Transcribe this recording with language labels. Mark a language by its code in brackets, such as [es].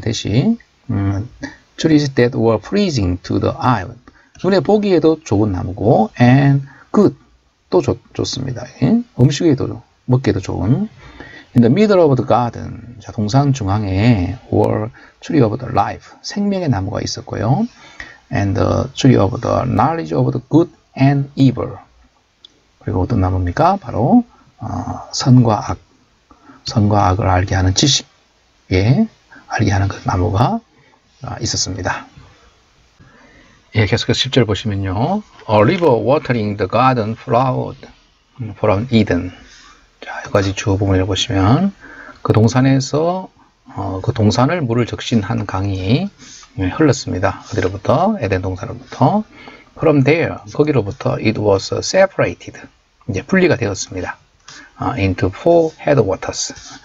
[en] 대시. Trees that were pleasing to the eye. [ko] 눈에 보기에도 좋은 나무고, [en] and good. [ko] 또 좋습니다. 예? 음식에도, 먹기에도 좋은. [en] In the middle of the garden. [ko] 자, 동산 중앙에 [en] were tree of the life. [ko] 생명의 나무가 있었고요. [en] And the tree of the knowledge of the good and evil. [ko] 그리고 어떤 나무입니까? 바로, 선과 악. 선과 악을 알게 하는 지식. 예, 알게 하는 그 나무가 있었습니다. 예, 계속해서 10절 보시면요. [en] A river watering the garden flowed from Eden. [ko] 자, 여기까지 주어 부분을 보시면, 그 동산에서, 그 동산을 물을 적신한 강이 흘렀습니다. 어디로부터? 에덴 동산으로부터. [en] From there, [ko] 거기로부터 [en] it was separated. [ko] 이제 분리가 되었습니다. [en] Into four headwaters.